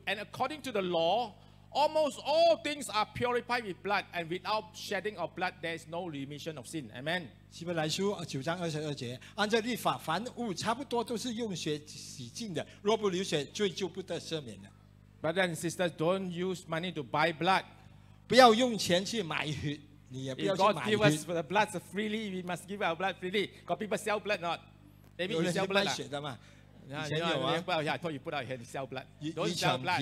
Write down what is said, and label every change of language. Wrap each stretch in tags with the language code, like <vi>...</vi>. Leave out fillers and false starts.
<en>And according to the law, almost all things are purified with blood, and without shedding of blood, there is no remission of sin. Amen.</en> <zh>希伯来书九章二十二节，按照律法，凡物差不多都是用血洗净的，若不流血，罪就不得赦免了。</zh> <en>Brothers and sisters, don't use money to buy blood.</en> <zh>不要用钱去买血。</zh> <en>If God gives us the blood freely, we must give our blood freely. Got people sell blood not? Maybe you sell blood.</en> <zh>有人去卖血的嘛？以前有啊。</zh> <en>Yeah, I thought you put out here to sell blood. Don't sell blood.</en>